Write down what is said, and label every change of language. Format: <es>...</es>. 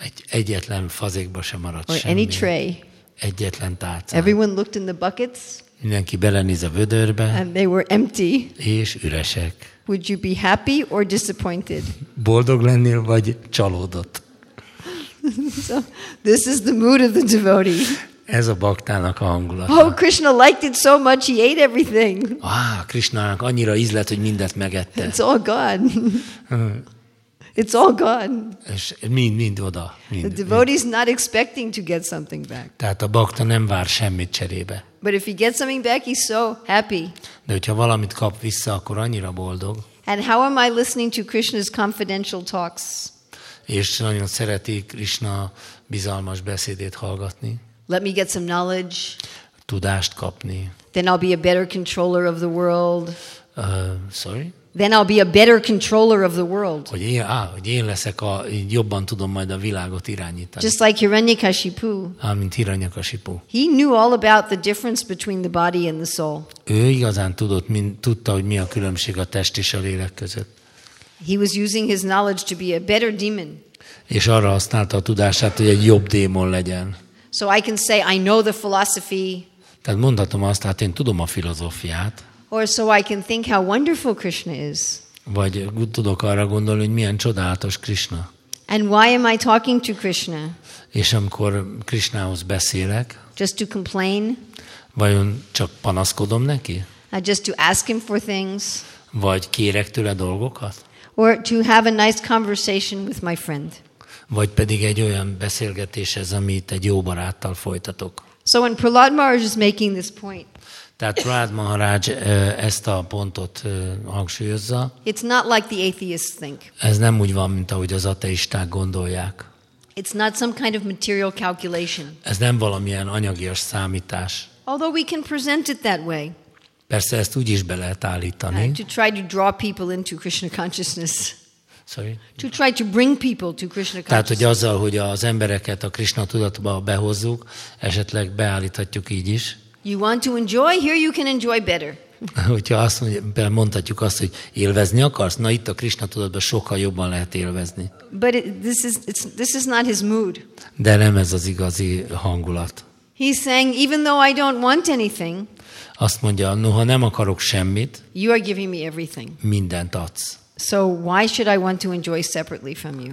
<hu>Egyetlen fazékba sem maradt</hu> <en>or</en> <hu>semmi.</hu> <en>Or any tray.</en> <hu>Egyetlen tálca.</hu> <en>Everyone looked in the buckets.</en> <hu>Mindenki belenéz a vödörbe.</hu> <en>And they were empty.</en> <hu>És üresek.</hu> <en>Would you be happy or disappointed?</en> <hu>Boldog lennél vagy csalódott?</hu> <en>So, this is the mood of the devotee.</en> <hu>Ez a baktának a hangulata.</hu> <en>Oh, Krishna liked it so much, he ate everything.</en> <hu>Ah, Krishnának annyira ízlett, hogy mindent megette.</hu> <en>It's all gone. It's all gone.</en> <hu>És mind oda. Mind,</hu> <en>the devotee is not expecting to get something back.</en> <hu>Tehát a bakta nem vár semmit cserébe.</hu> <en>But if he gets something back, he's so happy.</en> <hu>De hogyha valamit kap vissza, akkor annyira boldog.</hu> <en>And how am I listening to Krishna's confidential talks?</en> <hu>És nagyon szereti Krishna bizalmas beszédét hallgatni.</hu> <en>Let me get some knowledge.</en> <hu>Tudást kapni.</hu> <en>Then I'll be a better controller of the world. Sorry? Then I'll be a better controller of the world.</en> <hu>Hogy én leszek a jobban tudom majd a világot irányítani.</hu> <en>Just like Hiranyakashipu.</en> <hu>Mint Hiranyakashipu.</hu> <en>He knew all about the difference between the body and the soul.</en> <hu>Ő igazán tudta, hogy mi a különbség a test és a lélek között.</hu> <en>He was using his knowledge to be a better demon.</en> <hu>És arra használta a tudását, hogy egy jobb démon legyen.</hu> <en>So I can say I know the philosophy.</en> <hu>Tehát mondhatom azt, hát én tudom a filozófiát.</hu> <en>Or so I can think how wonderful Krishna is.</en> <hu>Vagy tudok arra gondolni, hogy milyen csodálatos Krishna.</hu> <en>And why am I talking to Krishna?</en> <hu>És amikor Krishnához beszélek?</hu> <en>Just to complain?</en> <hu>Vajon csak panaszkodom neki?</hu> <en>Just to ask him for things?</en> <hu>Vagy kérek tőle dolgokat?</hu> <en>Or to have a nice conversation with my friend?</en> <hu>Vagy pedig egy olyan beszélgetéshez, amit egy jó baráttal folytatok.</hu> <en>So when Prahlad Maharaj is making this point,</en> <hu>tehát Prahlad Maharaj ezt a pontot hangsúlyozza.</hu> <en>It's not like the atheists think.</en> <hu>Ez nem úgy van, mint ahogy az ateisták gondolják.</hu> <en>It's not some kind of material calculation.</en> <hu>Ez nem valamilyen anyagias számítás.</hu> <en>Although we can present it that way.</en> <hu>Persze ezt úgy is be lehet állítani.</hu> <en>To try to draw people into Krishna consciousness. Sorry? To try to bring people to Krishna consciousness.</en> <hu>Tehát, hogy azzal, hogy az embereket a Krishna tudatba behozzuk, esetleg beállíthatjuk így is.</hu> <en>You want to enjoy? Here you can enjoy better.</en> <hu>Hogyha azt mondhatjuk azt, hogy élvezni akarsz, na itt a Krishna tudatban sokkal jobban lehet élvezni.</hu> <en>But this is not his mood.</en> <hu>De nem ez az igazi hangulat.</hu> <en>He's saying, even though I don't want anything,</en> <hu>azt mondja, noha nem akarok semmit,</hu> <en>you are giving me everything.</en> <hu>Mindent adsz.</hu> <en>So why should I want to enjoy separately from you?</en>